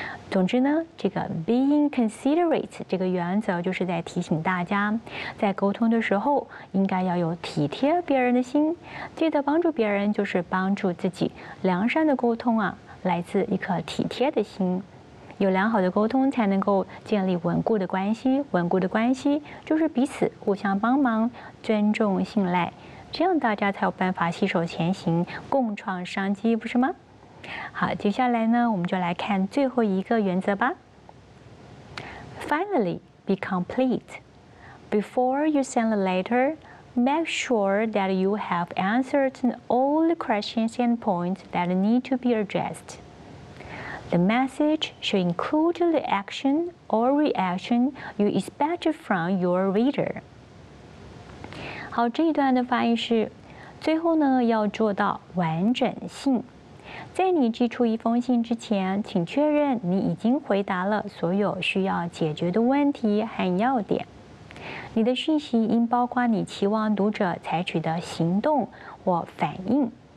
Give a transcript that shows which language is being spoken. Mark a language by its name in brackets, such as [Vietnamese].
[Chinese] 总之呢，这个 being considerate 这个原则就是在提醒大家，在沟通的时候应该要有体贴别人的心，记得帮助别人就是帮助自己，良善的沟通啊来自一颗体贴的心，有良好的沟通才能够建立稳固的关系，稳固的关系就是彼此互相帮忙，尊重信赖，这样大家才有办法携手前行，共创商机，不是吗？好，接下来呢，我们就来看最后一个原则吧。 [English] Finally, be complete. Before you send the letter, make sure that you have answered all the questions and points that need to be addressed. The message should include the action or reaction you expect from your reader. [Chinese] 好，这一段的翻译是，最后呢，要做到完整性。在你寄出一封信之前，请确认你已经回答了所有需要解决的问题和要点。你的讯息应包括你期望读者采取的行动或反应。